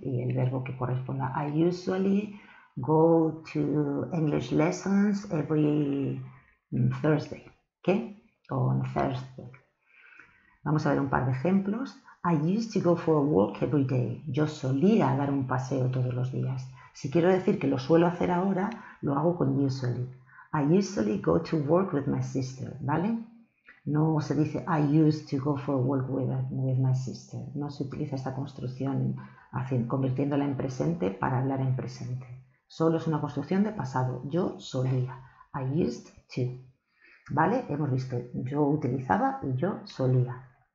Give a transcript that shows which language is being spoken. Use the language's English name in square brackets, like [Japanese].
[Spanish] Y el verbo que corresponda. [English] I usually go to English lessons every Thursday. ¿Qué? On Thursday. [Spanish] Vamos a ver un par de ejemplos. [English] I used to go for a walk every day. [Spanish] Yo solía dar un paseo todos los días. Si quiero decir que lo suelo hacer ahora, lo hago con usually. [English] I usually go to work with my sister, ¿vale? [Spanish] No se dice [English] I used to go for a walk with my sister. [Spanish] No se utiliza esta construcción convirtiéndola en presente para hablar en presente. Solo es una construcción de pasado. Yo solía. [English] I used to. [Spanish] ¿Vale? Hemos visto. Yo utilizaba y yo solía.